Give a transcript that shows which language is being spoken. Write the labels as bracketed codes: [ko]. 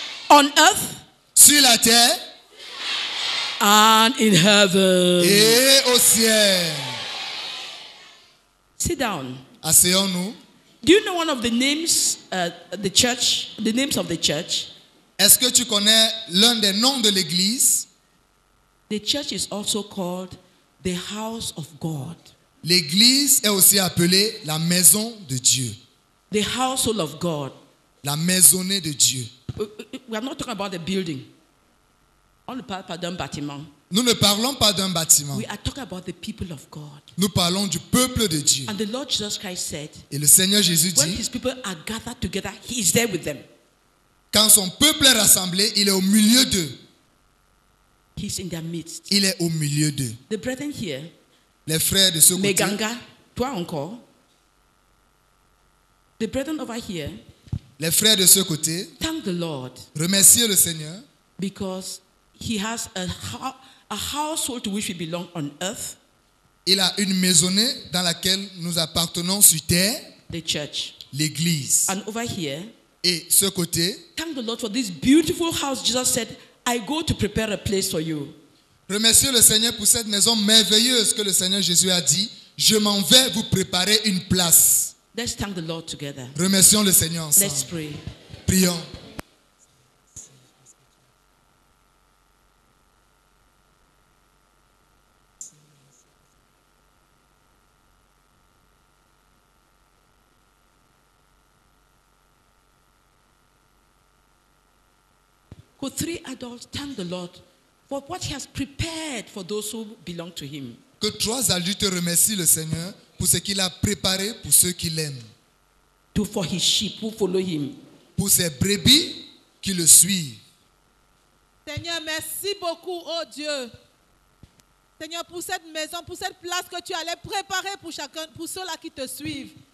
[en] On earth. [fr] Sur la terre. [en] And in heaven. [fr] Et au ciel. [en] Sit down. [fr] Asseyons-nous. [en] Do you know one of the names, the church, the names of the church? [fr] Est-ce que tu connais l'un des noms de l'église? [en] The church is also called the house of God. [fr] L'église est aussi appelée la maison de Dieu. [en] The household of God. [fr] La maisonnée de Dieu. [en] We are not talking about the building. [fr] On ne parle pas d'un bâtiment. Nous ne parlons pas d'un bâtiment. [en] We are talking about the people of God. [fr] Nous parlons du peuple de Dieu. [en] And the Lord Jesus Christ said, [fr] et le Seigneur Jésus dit, [en] when his people are gathered together, he is there with them. [fr] Quand son peuple est rassemblé, il est au milieu d'eux. [en] He is in their midst. [fr] Il est au milieu d'eux. [en] The brethren here, [fr] les frères de ce côté. Meganga, toi encore. [en] The brethren over here. [fr] Les frères de ce côté. [en] Thank the Lord. [fr] Remerciez le Seigneur. [en] Because he has a household to which we belong on earth. [fr] Il a une maisonnée dans laquelle nous appartenons sur terre. [en] The church. [fr] L'église. [en] And over here. [fr] Et ce côté. [en] Thank the Lord for this beautiful house. Jesus said, I go to prepare a place for you. [fr] Remercie le Seigneur pour cette maison merveilleuse que le Seigneur Jésus a dit. Je m'en vais vous préparer une place. [en] Let's thank the Lord together. [fr] Remercions le Seigneur ensemble. [en] Let's pray. [fr] Prions. [en] Could three adults thank the Lord for what he has prepared for those who belong to him. [fr] Que trois adultes remercient le Seigneur pour ce qu'il a préparé pour ceux qui l'aiment. [en] To for his sheep who follow him. [fr] Pour ses brebis qui le suivent. Seigneur, merci beaucoup, oh Dieu. Seigneur, pour cette maison, pour cette place que tu allais préparer pour chacun, pour ceux-là qui te suivent.